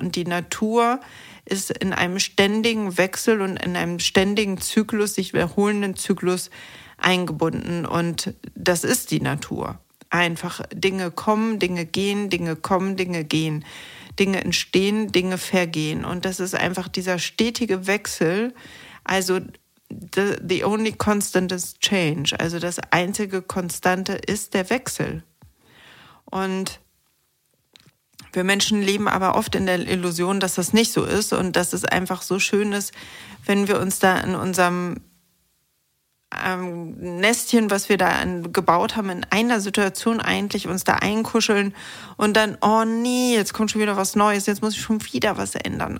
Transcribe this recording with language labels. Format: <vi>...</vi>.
<de>Und die Natur ist in einem ständigen Wechsel und in einem ständigen Zyklus, sich wiederholenden Zyklus eingebunden. Und das ist die Natur. Einfach Dinge kommen, Dinge gehen, Dinge kommen, Dinge gehen. Dinge entstehen, Dinge vergehen. Und das ist einfach dieser stetige Wechsel.</de> <en>Also the only constant is change.</en> <de>Also das einzige Konstante ist der Wechsel. Und wir Menschen leben aber oft in der Illusion, dass das nicht so ist und dass es einfach so schön ist, wenn wir uns da in unserem Nestchen, was wir da gebaut haben, in einer Situation eigentlich uns da einkuscheln und dann, oh nee, jetzt kommt schon wieder was Neues, jetzt muss ich schon wieder was ändern.</de>